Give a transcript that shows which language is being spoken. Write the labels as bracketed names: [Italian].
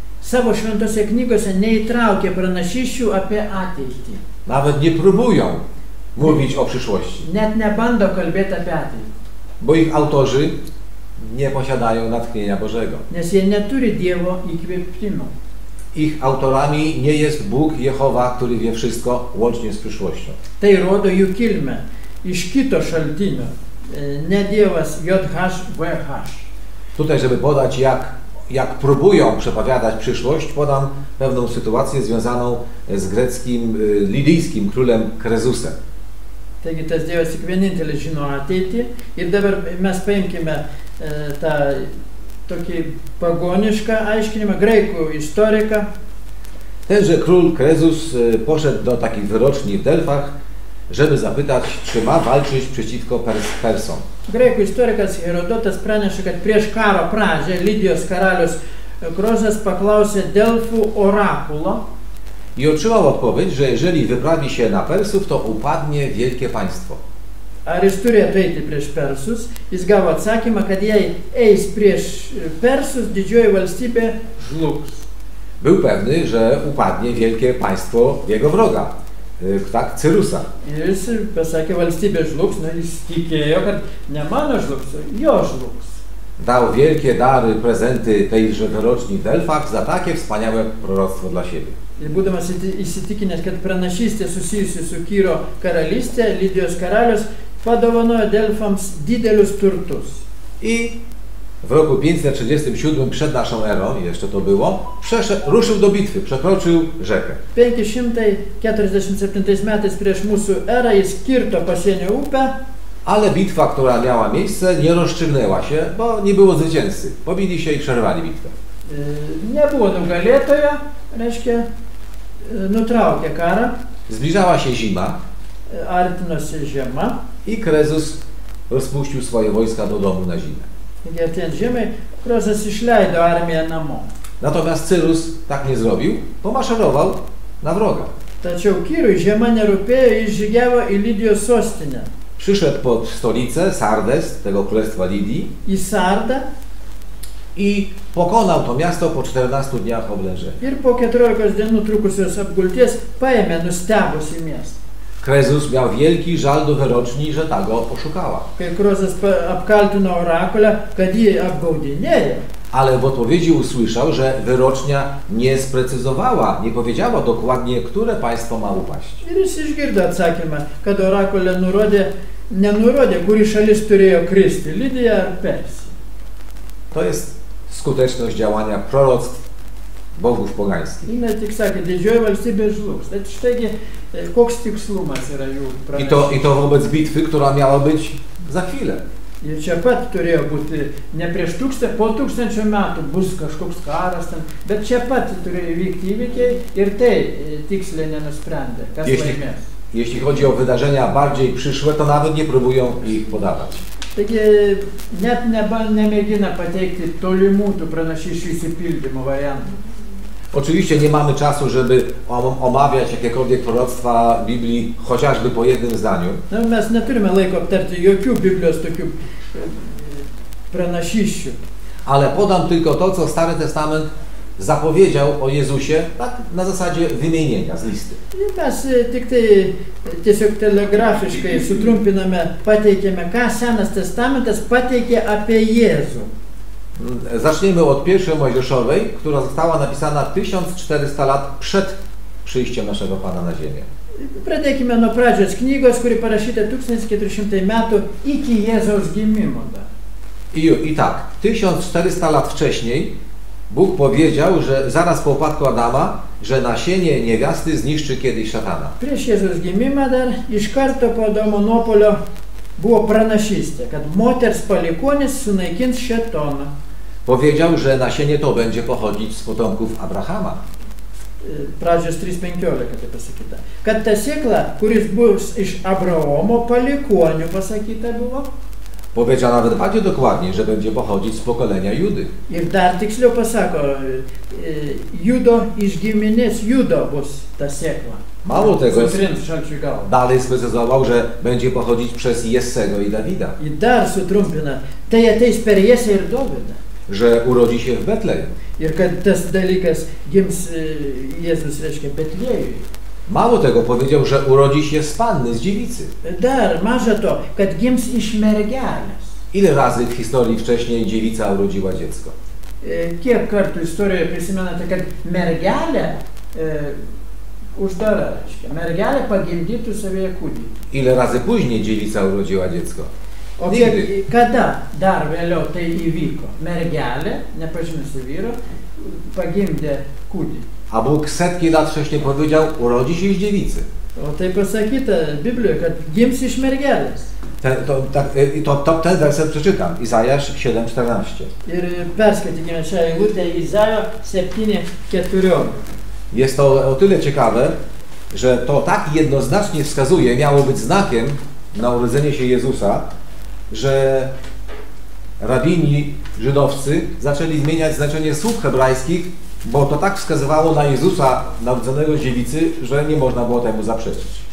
[Lithuanian] Savo šventose knygose neįtraukė pranašysčių apie ateitį. [Polish] Nawet nie próbują mówić o przyszłości. [Lithuanian] Net nebando kalbėti apie ateitį. [Polish] Bo ich autorzy nie posiadają natchnienia Bożego. [Lithuanian] Nes jie neturi Dievo įkvėpimo. [Polish] Ich autorami nie jest Bóg Jehowa, który wie wszystko łącznie z przyszłością. [Lithuanian] Tai rodo jų kilmę iš kito šaltinio. Nie Dievas, JHWH. [Polish] Tutaj, żeby podać, jak próbują przepowiadać przyszłość, podam pewną sytuację związaną z greckim, lidyjskim królem Krezusem. [Lithuanian] Taigi, tas Dievas tik vienintelis žino ateitį. Ir dabar mes paimkime tą tokį pagonišką aiškinimą, graikų istoriką. [Polish] Tenże król Krezus poszedł do takiej wyroczni w Delfach, żeby zapytać, czy ma walczyć przeciwko Persom. [Lithuanian] Greku istorikas Herodotas pranešė, kad prieš karo pradžią Lidijos karalius Krozas paklausė Delfų orakulo. [Polish] I otrzymał odpowiedź, że jeżeli wyprawi się na Persów, to upadnie wielkie państwo. [Lithuanian] Ar jis turėtų eiti prieš Persus? Jis gavo atsakymą, kad jei eis prieš Persus, didžioji valstybė žlugs. [Polish] Był pewny, że upadnie wielkie państwo jego wroga. Tak, Cyrusa. [Lithuanian] Jis pasakė, valstybė žlugs, no jis tikėjo, kad ne mano žlugs, jo žlugs. [Polish] Dał wielkie dary, prezenty tejże wyroczni w Delfach za takie wspaniałe proroctwo dla siebie. [Lithuanian] būdamas įsitikinęs, kad pranašystė susijusi su Kyro karalystė, Lydijos karalius padovanojo Delfams didelius turtus. [Polish] I w roku 537 przed naszą erą, jeszcze to było, ruszył do bitwy, przekroczył rzekę. [Lithuanian] 547 metais prieš mūsų erą jis kirto pasienio upę. [Polish] Ale bitwa, która miała miejsce, nie rozstrzygnęła się, bo nie było zwycięzcy. Pobili się i przerwali bitwę. [Lithuanian] Nie było nugalėtojo, reiškia, nutraukė karą. [Polish] Zbliżała się zima. [Lithuanian] Artinosi žiema. [Polish] I Krezus rozpuścił swoje wojska do domu na zimę. [Lithuanian] Taigi artėjant žiemai, Krezus išleido armiją namo. [Polish] Natomiast Cyrus tak nie zrobił, pomaszerował na wroga. [Lithuanian] Tačiau Kyrui žiema nerūpėjo, jis žygiavo į Lidijos sostinę. [Polish] Przyszedł pod stolicę Sardes, tego królestwa Lidii. I Sarda. I pokonał to miasto po 14 dniach oblężenia. [Lithuanian] Ir po 14 dienų trukusios apgulties paėmė nustebusį miestą. [Polish] Krezus miał wielki żal do wyroczni, że ta go oszukała. [Lithuanian] Kai Krezus apkaltino orakulę, kad jį apgaudinėjo. [Polish] Ale w odpowiedzi usłyszał, że wyrocznia nie sprecyzowała, nie powiedziała dokładnie, które państwo ma upaść. [Lithuanian] Ir jis išgirdo atsakymą, kad orakulė nurodė, nenurodė, kuri šalis turėjo kristi, Lidija ar Persija. [Polish] To jest skuteczność działania proroctw bogów pogańskich. [Lithuanian] I na tik sakė, didžioji valstybė žlugs. Tai štai, koks tikslumas yra jų pranašystė. [Polish] I to vobec bitvy, która miała być za chwilę. [Lithuanian] Ir čia pat turėjo būti ne prieš tūkstančio, po tūkstančio metų bus kažkoks karas ten, bet čia pat turėjo vykti įvykiai ir tai tiksliai nenusprendė, kas laimės. [Polish] Jeśli chodzi o wydarzenia bardziej przyszłe, to nawet nie próbują ich podawać. [Lithuanian] Taigi net nemėgina pateikti tolimų tų pranašysčių įsipildymo variantų. [Polish] Oczywiście nie mamy czasu, żeby omawiać jakiekolwiek proroctwa Biblii, chociażby po jednym zdaniu. [Lithuanian] No, mes neturime laiko aptarti jokių Biblijos tokių pranašysčių. [Polish] Ale podam tylko to, co Stary Testament zapowiedział o Jezusie, tak na zasadzie wymienienia z listy. [Lithuanian] I mes tik tai tiesiog telegrafiškai sutrumpiname, pateikiame, ką Senas Testamentas pateikė apie Jezu. [Polish] Zaczniemy od pierwszej Mojżeszowej, która została napisana 1400 lat przed przyjściem naszego Pana na ziemię. [Lithuanian] Pradėkime nuo pradžios knygos, kuri parašyta 1400 metų iki Jėzaus gimimo. [Polish] I tak, 1400 lat wcześniej Bóg powiedział, że zaraz po upadku Adama, że nasienie niewiasty zniszczy kiedyś szatana. [Lithuanian] Prieš Jėzaus gimimą dar, iš karto po domo Nopolio, buvo pranašystė, kad moters palikonis sunaikins šetoną. [Polish] Powiedział, że nasienie to będzie pochodzić z potomków Abrahama. [Lithuanian] Pradžios 3.15, tai pasakyta. Kad ta sėkla, kuris bus iš Abraomo palikonių, pasakyta buvo. [Polish] Powiedział nawet bardziej dokładnie, że będzie pochodzić z pokolenia Judy. [Lithuanian] Ir dar tiksliau pasako, Judo iš giminės Judo bus ta sėkla. [Polish] Mało tego, dalej sprecyzował, że będzie pochodzić przez Jessego i Dawida. [Lithuanian] I dar sutrumpina, tai ateis per Jesse ir Dovida. [Polish] Że urodzi się w Betlejem. [Lithuanian] Ir kad tas dalykas gims Jezus, reiškia, Betlejui. [Polish] Mało tego, powiedział, że urodzi się z panny, z dziewicy. [Lithuanian] Dar, maža to, kad gims iš mergelės. [Polish] Ile razy w historii wcześniej dziewica urodziła dziecko? [Lithuanian] Kiek kartų istorijoje prisimenate, kad mergelė uždara, reiškia. Mergelė pagimdytų savo kūdį. [Polish] Ile razy później dziewica urodziła dziecko? [Lithuanian] O kiek, kada dar vėliau tai įvyko? Mergelė, nepažinusi vyro, pagimdė kūdį. [Polish] A Bóg setki lat wcześniej powiedział, urodzi się z dziewicy. [Lithuanian] O tai pasakyta Biblijoje, kad gims iš mergelės. [Polish] Ten werset przeczytam, Izajasz 7,14. [Lithuanian] Ir perskaitykime šią eilutę, Izajo 7,14. [Polish] Jest to o tyle ciekawe, że to tak jednoznacznie wskazuje, miało być znakiem na urodzenie się Jezusa, że rabini żydowscy zaczęli zmieniać znaczenie słów hebrajskich, bo to tak wskazywało na Jezusa, narodzonego z dziewicy, że nie można było temu zaprzeczyć.